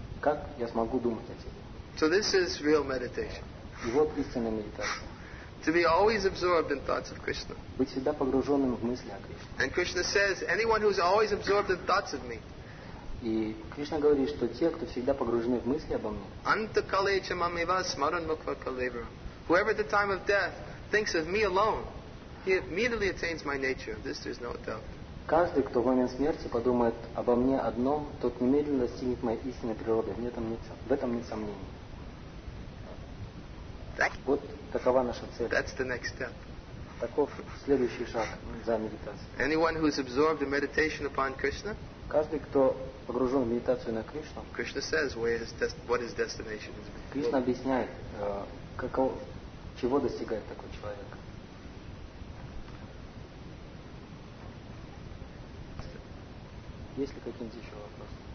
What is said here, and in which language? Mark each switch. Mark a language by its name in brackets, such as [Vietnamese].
[Russian] Как я смогу думать о тебе? [English] So this is real meditation. [Russian] И вот истинная медитация. [English] To be always absorbed in thoughts of Krishna. [Russian] Быть всегда погруженным в мысли о Кришне. [English] And Krishna says, anyone who is always absorbed in thoughts of me. [Russian] И Кришна говорит, что те, кто всегда погружены в мысли обо мне. [Sanskrit] Antakale cha mam eva smaran mukha kalevara. [English] Whoever at the time of death thinks of me alone, he immediately attains my nature. This there is no doubt. [Russian] Каждый, кто в момент смерти подумает обо мне одном, тот немедленно достигнет моей истинной природы. В этом нет сомнений. Вот такова наша цель. [English] That's the next step. [Russian] Таков следующий шаг за медитацией. [English] Anyone who is absorbed in meditation upon Krishna, [Russian] каждый, кто погружен в медитацию на Кришну, [English] Krishna says where his what his destination is. [Russian] Кришна объясняет, каково, чего достигает такой человек. Есть ли какие-нибудь еще вопросы?